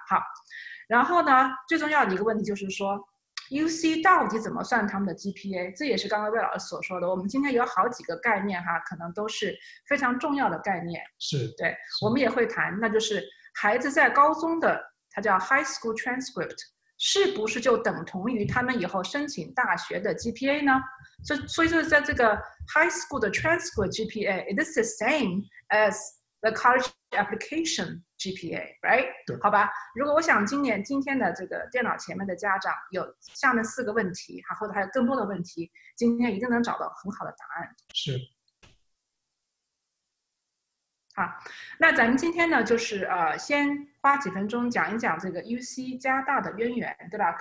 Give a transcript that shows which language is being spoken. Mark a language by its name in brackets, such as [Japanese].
[Chinese] 好，然后呢最重要的一个问题就是说 UC 到底怎么算他们的 GPA， 这也是刚刚魏老师所说的，我们今天有好几个概念哈，可能都是非常重要的概念，是对是，我们也会谈，那就是孩子在高中的他叫 High School Transcript 是不是就等同于他们以后申请大学的 GPA 呢？所以就是在这个 [English] High School [Chinese] 的 [English] Transcript GPA It is the same as the college application GPA， right？ [Chinese] 对，好吧。如果我想今天的这个电脑前面的家长有下面四个问题，然后还有更多的问题，今天一定能找到很好的答案。是。好，那咱们今天呢，就是先花几分钟讲一讲这个 UC 加大的渊源，对吧？